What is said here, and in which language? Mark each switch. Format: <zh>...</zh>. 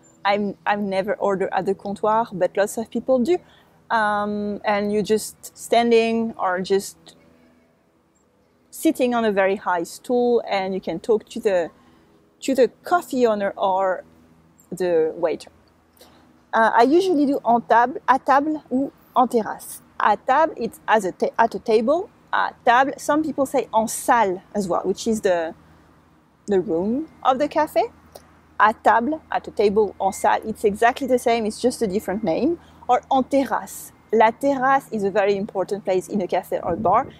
<en>I've never ordered at the comptoir, but lots of people do. And you're just standing or just sitting on a very high stool and you can talk to the coffee owner or the waiter. I usually do</en> <fr>en table, à table ou en terrasse. À table,</fr> <en>it's at a table. À table, some people say en salle as well, which is the room of the cafe. À table, at a table, en salle, it's exactly the same, it's just a different name. Or en terrasse. La terrasse is a very important place in a café or a bar.</en>